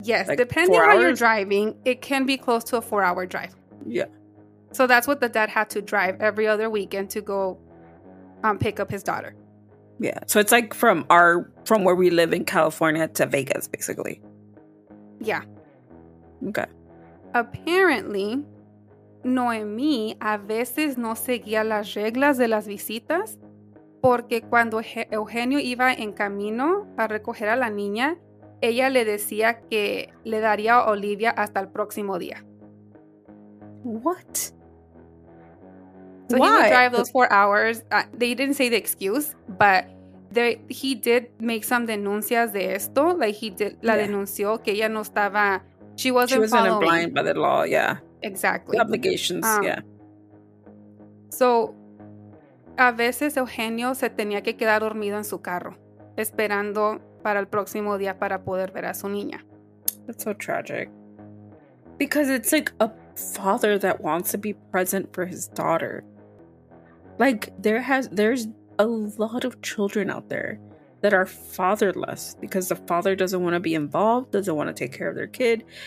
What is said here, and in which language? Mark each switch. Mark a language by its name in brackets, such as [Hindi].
[English] Yes, like depending on you're driving, it can be close to a four-hour drive. Yeah. So that's what the dad had to drive every other weekend to go pick up his daughter. Yeah, so it's like from our where we live in California to Vegas, basically. Yeah. Okay. [Spanish] Apparently, Noemí a veces no seguía las reglas de las visitas porque cuando Eugenio iba en camino a recoger a la niña, ella le decía que le daría a Olivia hasta el próximo día. [English] What? So why? He would drive those 4 hours. They didn't say the excuse, but he did make some [Spanish] denuncias de esto. [English] Like he did, [Spanish] la denunció que ella no estaba, [English] she wasn't following. She wasn't blind by the law, yeah. Exactly. The obligations, [Spanish] So, a veces Eugenio se tenía que quedar dormido en su carro, esperando para el próximo día para poder ver a su niña. [English] That's so tragic. Because it's like a father that wants to be present for his daughter. Like, there's a lot of children out there that are fatherless because the father doesn't want to be involved, doesn't want to take care of their kid.